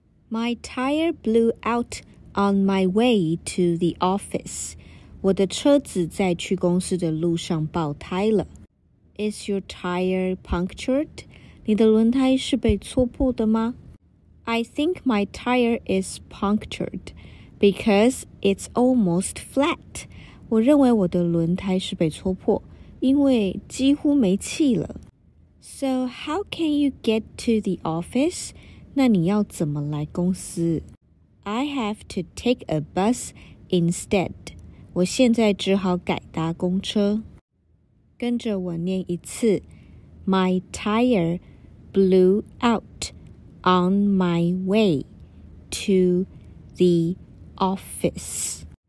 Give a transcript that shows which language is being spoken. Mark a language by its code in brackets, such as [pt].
[en] My tire blew out on my way to the office. [zh] 我的车子在去公司的路上爆胎了。 [en] Is your tire punctured? [zh] 你的轮胎是被戳破的吗？ [en] I think my tire is punctured because it's almost flat. [zh] 我认为我的轮胎是被戳破，因为几乎没气了。 [en] So how can you get to the office? [zh] 那你要怎么来公司？ [en] I have to take a bus instead. [zh] 我现在只好改搭公车。跟着我念一次 [en] My tire blew out on my way to the office.